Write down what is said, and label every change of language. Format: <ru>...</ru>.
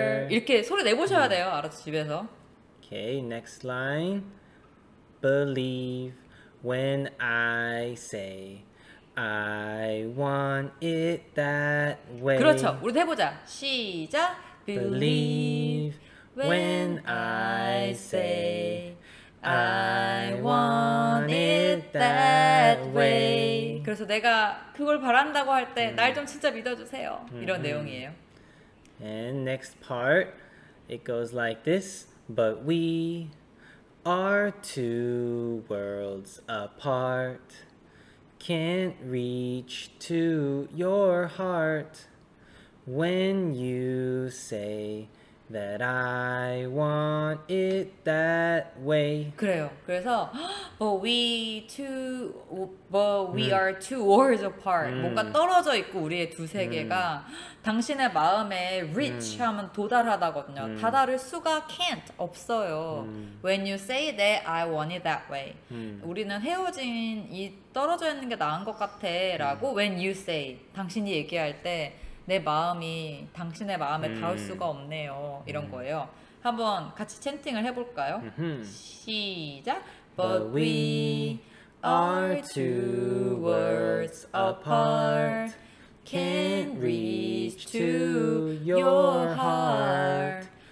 <ko>이렇게 소리 내보셔야 돼요, 알아서 집에서.</ko> <en>Okay, next line. Believe when I say I want it that way.</en> <ko>그렇죠, 우리도 해보자. 시작!</ko> <en>Believe when I say I want it that way.</en> <ko>그래서 내가 그걸 바란다고 할 때 날 좀 진짜 믿어주세요. 이런 내용이에요.</ko> <en>And next part, it goes like this. But we are two worlds apart. Can't reach to your heart when you say that I want it that way.</en> <ko>그래요. 그래서</ko> <en>but we two but we are two worlds apart.</en> <ko>뭔가 떨어져 있고 우리의 두 세계가 당신의 마음에 reach 하면 도달하다거든요. 다다를 수가</ko> <en>can't</en> <ko>없어요.</ko> <en>When you say that I want it that way.</en> <ko>우리는 헤어진 이 떨어져 있는 게 나은 것 같아라고</ko> <en>when you say</en> <ko>당신이 얘기할 때 내 마음이 당신의 마음에 닿을 수가 없네요. 이런 거예요. 한번 같이 챈팅을 해볼까요? 시작!</ko> <en>But we are two worlds apart. Can't reach to your heart.</en>